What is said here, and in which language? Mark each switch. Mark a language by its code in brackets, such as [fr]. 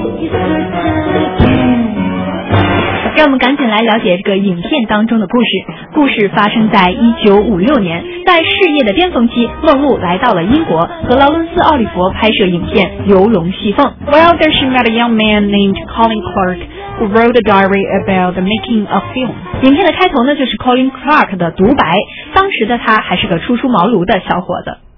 [zh] 让我们赶紧来了解这个影片当中的故事。故事发生在1956年，在事业的巅峰期，梦露来到了英国，和劳伦斯·奥利弗拍摄影片《游龙戏凤》。 [en] Well, there she met a young man named Colin Clark, who wrote a diary about the making of film. [zh] 影片的开头呢，就是 Colin Clark 的独白。当时的他还是个初出茅庐的小伙子。